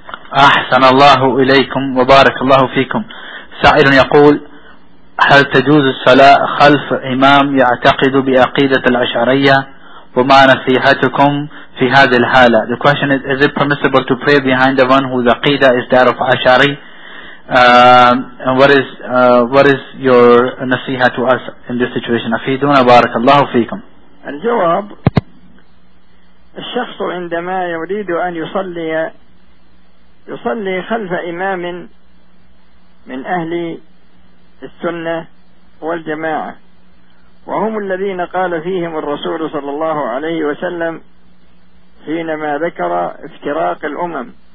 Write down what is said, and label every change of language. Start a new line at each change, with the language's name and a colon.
Arabic: أحسن الله إليكم وبارك الله فيكم. سائل يقول هل تجوز الصلاة خلف إمام يعتقد بعقيدة الأشعرية وما نصيحتكم في هذه الحالة؟
English: The question is it permissible to pray behind the one whose aqidah is that of Ashari? And what is your nasiha to us in this situation?
Arabic: أفيدونا بارك الله فيكم. الجواب: الشخص عندما يريد أن يصلي خلف إمام من أهل السنة والجماعة، وهم الذين قال فيهم الرسول صلى الله عليه وسلم حينما ذكر افتراق الأمم،